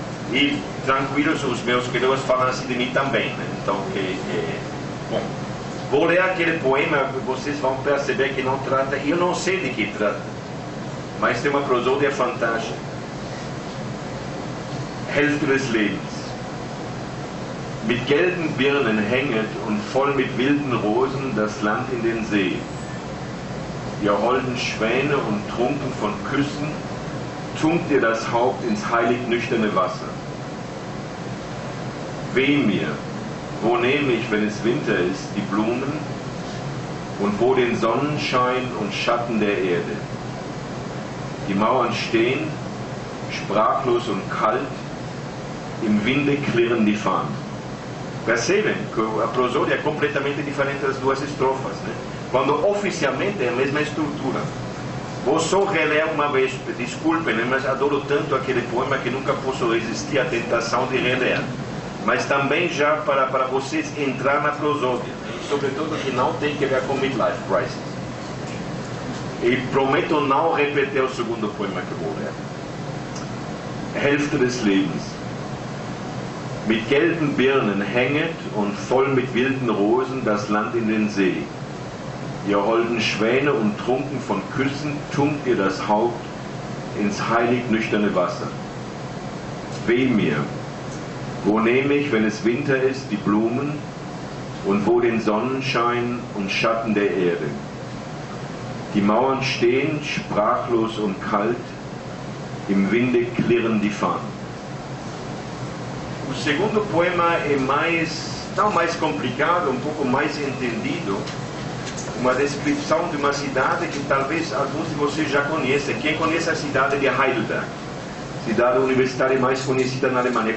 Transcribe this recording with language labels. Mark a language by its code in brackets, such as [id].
[pt] E tranquilos, os meus queridos falam assim de mim também, né? Então, bom, vou ler aquele poema, vocês vão perceber que não trata, eu não sei de que trata, mas tem uma prosódia fantástica. [de] Hälfte des Lebens. Mit gelben Birnen hänget und voll mit wilden Rosen das Land in den See. Ihr holden Schwäne und trunken von Küssen tunkt ihr das Haupt ins heilig nüchterne Wasser. Weh mir, wo nehme ich, wenn es Winter ist, die Blumen und wo den Sonnenschein und Schatten der Erde. Die Mauern stehen, sprachlos und kalt, im Winde klirren die Fahnen. [pt] Percebem que a prosódia é completamente diferente das duas estrofas, né? Quando oficialmente é a mesma estrutura. Vou só reler uma vez, desculpem, né? Mas adoro tanto aquele poema que nunca posso resistir à tentação de reler. Mas também já para vocês entrar na prosódia, sobretudo que não tem que ver com midlife crisis. E prometo não repetir o segundo poema que vou ler. [de] Hälfte des Lebens. Mit gelben Birnen hänget und voll mit wilden Rosen das Land in den See. Ihr holden Schwäne und trunken von Küssen tunkt ihr das Haupt ins heilig nüchterne Wasser. Weh mir, wo nehme ich, wenn es Winter ist, die Blumen und wo den Sonnenschein und Schatten der Erde. Die Mauern stehen sprachlos und kalt, im Winde klirren die Fahnen. [pt] O segundo poema é mais, não mais complicado, um pouco mais entendido, uma descrição de uma cidade que talvez alguns de vocês já conheçam. Quem conhece a cidade de Heidelberg? Cidade universitária mais conhecida na Alemanha.